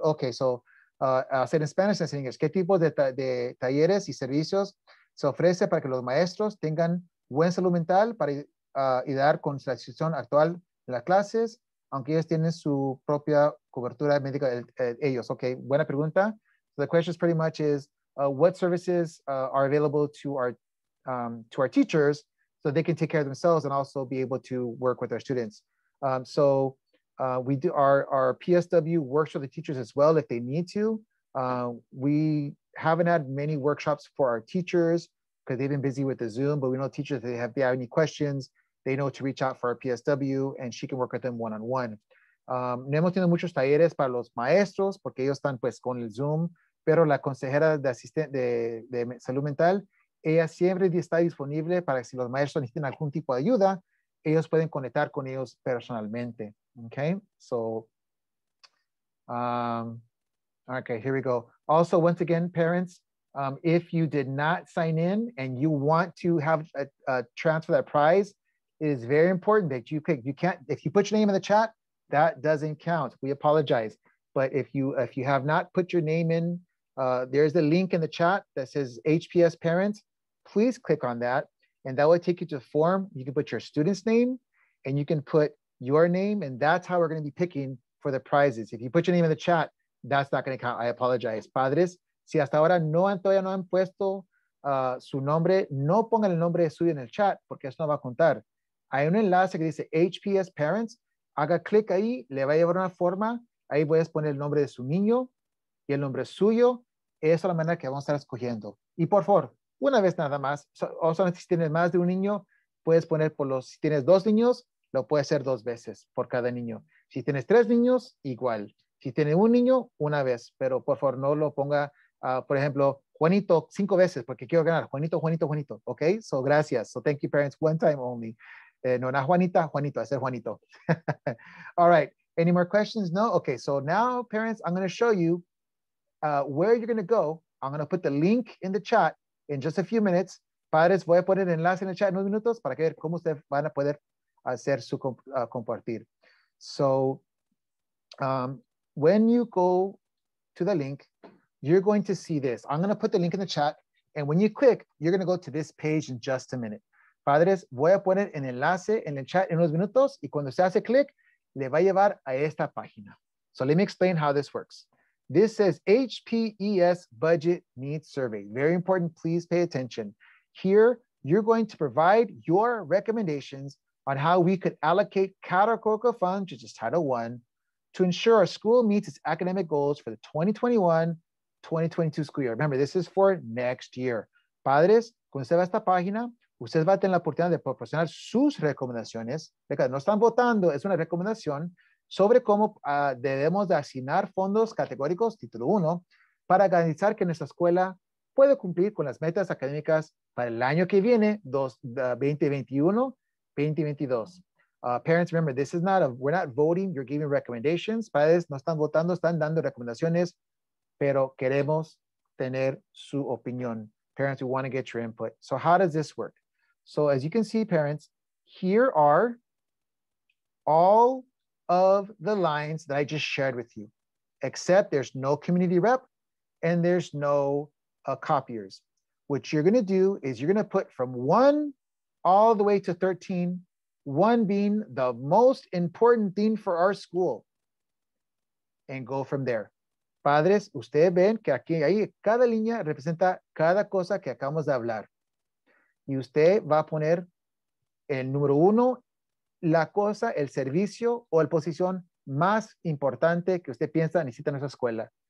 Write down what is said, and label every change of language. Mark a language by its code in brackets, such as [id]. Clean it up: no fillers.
[en] Okay, so I'll say it in Spanish and in English. [es] ¿Qué tipo de talleres y servicios se ofrece para que los maestros tengan buena salud mental para ayudar con la situación actual de las clases, aunque ellos tienen su propia cobertura médica, ellos? Okay, buena pregunta. [en] So the question is pretty much is, what services are available to our teachers so they can take care of themselves and also be able to work with our students. We do our PSW works with the teachers as well if they need to. We haven't had many workshops for our teachers because they've been busy with the Zoom, but we know teachers, if they have any questions, they know to reach out for our PSW and she can work with them one-on-one. [es] No hemos tenido muchos talleres para los maestros porque ellos están pues con el Zoom, pero la consejera de asistente de salud mental, ella siempre está disponible para que si los maestros necesitan algún tipo de ayuda, ellos pueden conectar con ellos personalmente. [en] Okay, so, okay, here we go. Also, once again, parents, if you did not sign in and you want to have a transfer that prize, it is very important that you pick. You can't, if you put your name in the chat, that doesn't count. We apologize. But if you have not put your name in, there's a link in the chat that says HPS parents. Please click on that, and that will take you to a form. You can put your student's name, and you can put your name, and that's how we're going to be picking for the prizes. If you put your name in the chat, that's not going to count. I apologize. [es] Padres, si hasta ahora todavía no han puesto su nombre, no pongan el nombre suyo en el chat, porque eso no va a contar. Hay un enlace que dice HPS Parents. Haga clic ahí, le va a llevar una forma. Ahí voy a poner el nombre de su niño y el nombre suyo. Esa es la manera que vamos a estar escogiendo. Y por favor, una vez nada más, solamente si tienes más de un niño, puedes poner si tienes dos niños, lo puedes hacer dos veces por cada niño. Si tienes tres niños, igual. Si tienes un niño, una vez, pero por favor no lo ponga, por ejemplo, Juanito, cinco veces, porque quiero ganar. [en] Juanito, Juanito, Juanito, ok? So, gracias. So, thank you parents, one time only. No, not Juanita, Juanito, hacer Juanito. All right, any more questions? No? Ok, so now parents, I'm going to show you where you're going to go. I'm going to put the link in the chat. In just a few minutes, [es] padres, voy a poner el enlace en el chat en unos minutos para que ver cómo ustedes van a poder hacer su compartir. [en] So, when you go to the link, you're going to see this. I'm going to put the link in the chat. And when you click, you're going to go to this page in just a minute. Padres, voy a poner el enlace en el chat en unos minutos y cuando se hace click, le va a llevar a esta página. So let me explain how this works. This says HPES budget needs survey. Very important, please pay attention. Here, you're going to provide your recommendations on how we could allocate categorical funds, which is Title I, to ensure our school meets its academic goals for the 2021-2022 school year. Remember, this is for next year. [es] Padres, cuando se va a esta página, usted va a tener la oportunidad de proporcionar sus recomendaciones. Recuerda, no están votando, es una recomendación sobre cómo debemos de asignar fondos categóricos, título 1, para garantizar que nuestra escuela puede cumplir con las metas académicas para el año que viene, 2021-2022. [en] Parents, remember, this is not, we're not voting, you're giving recommendations. [es] Padres no están votando, están dando recomendaciones, pero queremos tener su opinión. [en] Parents, we want to get your input. So how does this work? So as you can see, parents, here are all of the lines that I just shared with you, except there's no community rep and there's no copiers. What you're going to do is you're going to put from 1 all the way to 13, 1 being the most important thing for our school, and go from there. [es] Padres, ustedes ven que aquí, ahí, cada línea representa cada cosa que acabamos de hablar. Y usted va a poner el número 1, la cosa, el servicio o la posición más importante que usted piensa necesita en esa escuela.